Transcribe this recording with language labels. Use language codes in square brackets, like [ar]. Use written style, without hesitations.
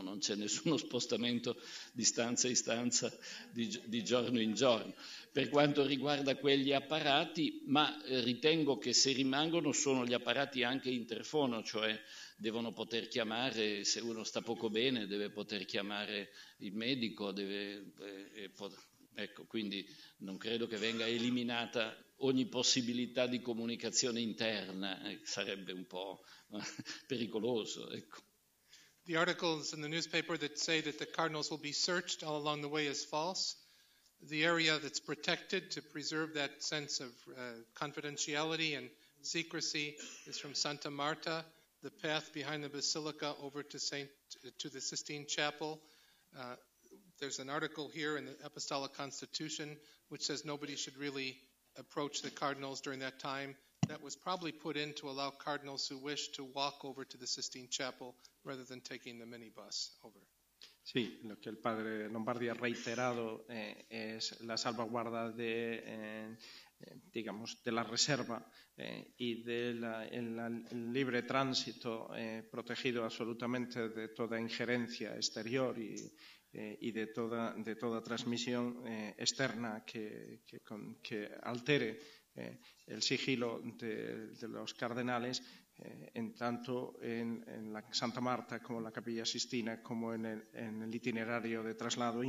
[it] Non c'è nessuno spostamento di stanza in stanza, di giorno in giorno, per quanto riguarda quegli apparati, ma ritengo che se rimangono sono gli apparati anche interfono, cioè devono poter chiamare, se uno sta poco bene deve poter chiamare il medico, ecco, quindi non credo che venga eliminata ogni possibilità di comunicazione interna, sarebbe un po' pericoloso, ecco. [en] The articles in the newspaper that say that the cardinals will be searched all along the way is false. The area that's protected to preserve that sense of confidentiality and secrecy is from Santa Marta, the path behind the basilica over to the Sistine Chapel. There's an article here in the Apostolic Constitution which says nobody should really approach the cardinals during that time. That was probably put in to allow cardinals who wish to walk over to the Sistine Chapel rather than taking the minibus over. [es] Sí, lo que el padre Lombardi ha reiterado es la salvaguarda de, digamos, de la reserva y del libre tránsito protegido absolutamente de toda injerencia exterior y de toda transmisión externa que altere el sigilo de los cardenales, en tanto en la Santa Marta como en la Capilla Sistina, como en el itinerario de traslado.